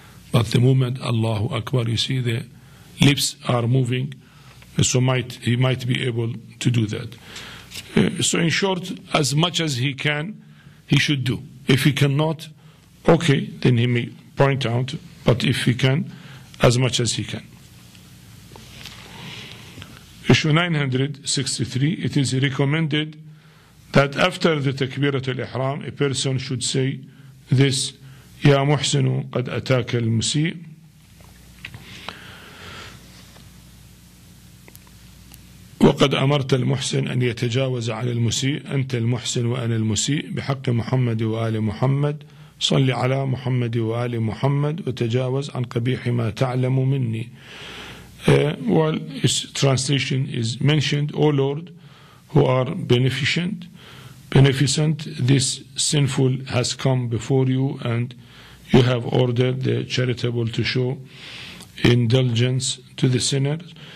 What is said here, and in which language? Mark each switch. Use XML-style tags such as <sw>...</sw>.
<en>But the moment Allahu Akbar, you see the lips are moving, so he might be able to do that. So in short, as much as he can, he should do. If he cannot, okay, then he may point out, but if he can, as much as he can. Issue 963, it is recommended that after the Takbiratul Ihram, a person should say this,</en> <ar>Ya Muhsinu qad ataka al-musi' وقد أمرت المحسن أن يتجاوز على المسيء أنت المحسن وأنا المسيء بحق محمد وآل محمد صل على محمد وآل محمد وتجاوز عن قبيح ما تعلم مني.</ar> <en>Well, its translation is mentioned, O Lord, who are beneficent, this sinful has come before you and you have ordered the charitable to show indulgence to the sinners.</en>